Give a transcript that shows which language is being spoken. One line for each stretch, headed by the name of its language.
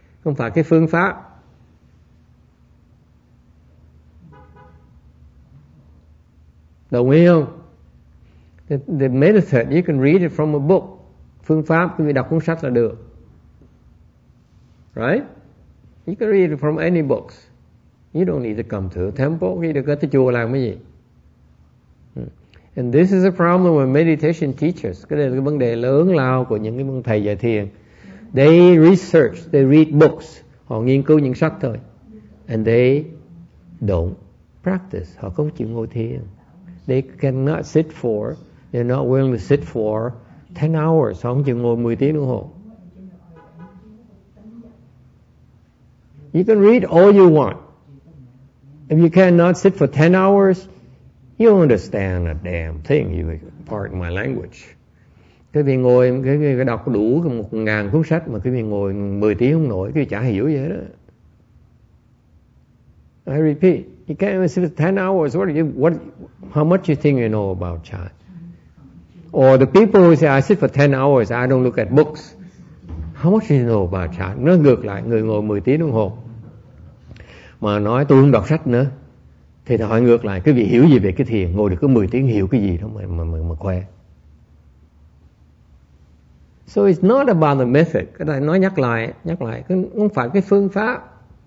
Vietnamese: Không phải cái phương pháp. Đồng ý không?
English: The method, you can read it from a book.
Vietnamese: Phương pháp, quý vị đọc cuốn sách là được.
English: right? You can read it from any books. You don't need to come to a temple. You don't need to go to
Vietnamese: chùa làm cái gì.
English: And this is a problem with meditation teachers.
Vietnamese: Cái này là cái vấn đề lớn lao của những cái thầy dạy thiền.
English: They research, they read books.
Vietnamese: Họ nghiên cứu những sách thôi.
English: And they don't practice.
Vietnamese: Họ không chịu ngồi thiền.
English: They cannot sit for, they're not willing to sit for 10 hours.
Vietnamese: Họ không chịu ngồi 10 tiếng đồng hồ.
English: You can read all you want. If you cannot sit for 10 hours, you don't understand a damn thing. You pardon my language.
Vietnamese: Cái vị ngồi, cái đọc đủ 1,000 cuốn sách mà cái vị ngồi 10 tiếng không nổi, cái vị chả hiểu gì hết đó.
English: I repeat, you can't even sit for 10 hours. How much you think you know about chant? Or the people who say, I sit for 10 hours, I don't look at books. How much you know about chant?
Vietnamese: Nó ngược lại, người ngồi 10 tiếng đồng hồ. Mà nói tôi không đọc sách nữa. Thì hỏi ngược lại, cái vị hiểu gì về cái thiền? Ngồi được có 10 tiếng hiểu cái gì đó mà khoe.
English: So it's not about the method.
Vietnamese: Cái này nói nhắc lại, không phải cái phương pháp.